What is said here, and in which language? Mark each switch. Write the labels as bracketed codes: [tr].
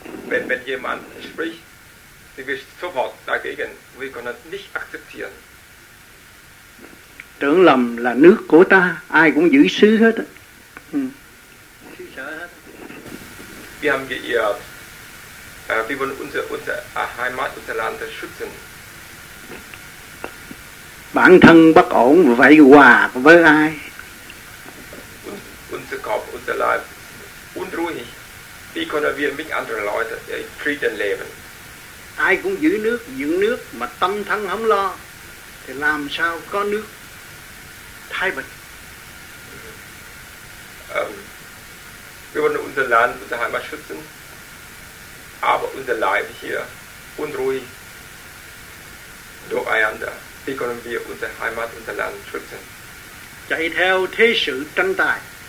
[de] Wenn jemand spricht, sie wird sofort dagegen, wir können nicht akzeptieren. [vi] Tưởng lầm là nước của ta, ai cũng giữ xứ hết. [de] Wir haben geirrt. Wir wollen unsere Heimat, unser Land schützen. [vi] Bản thân bất ổn, vậy hòa với ai? [de] Unser Kopf, unser Leib, unruhig, Wie können wir mit anderen Leuten in Frieden leben? [vi] Ai cũng giữ nước mà tâm thân không lo, thì làm sao có nước thái bình? [de] Wir wollen unser Land, unsere Heimat schützen, aber unser Leib hier unruhig durcheinander. Wie können wir unsere Heimat, unser Land schützen? [vi] Chạy theo thế sự tranh tài.